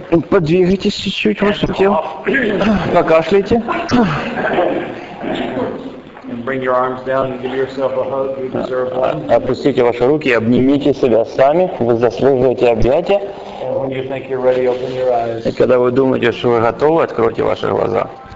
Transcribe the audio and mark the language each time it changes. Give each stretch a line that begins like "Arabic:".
Russian: Подвигайтесь чуть-чуть ваше тело. Покашляйте.
English: Bring your arms down and give yourself a hug. You deserve one.
Russian: Опустите ваши руки и обнимите себя сами. Вы заслуживаете объятия.
English: And when you think you're ready, open your eyes.
Russian: И когда вы думаете, что вы готовы, откройте ваши глаза.